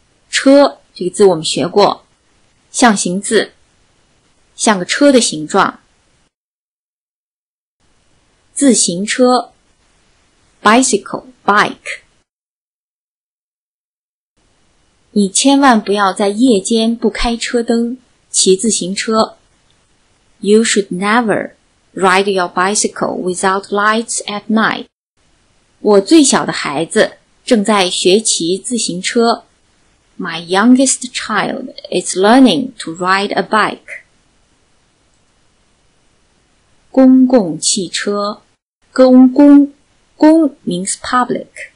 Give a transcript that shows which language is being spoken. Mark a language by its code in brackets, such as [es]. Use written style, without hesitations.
[zh] 车，这个字我们学过，象形字，像个车的形状。自行车 bicycle, bike。你千万不要在夜间不开车灯骑自行车。 [en] You should never ride your bicycle without lights at night. [zh] 我最小的孩子正在学骑自行车。 [en] My youngest child is learning to ride a bike. [zh] 公共汽车，公 [en] means public.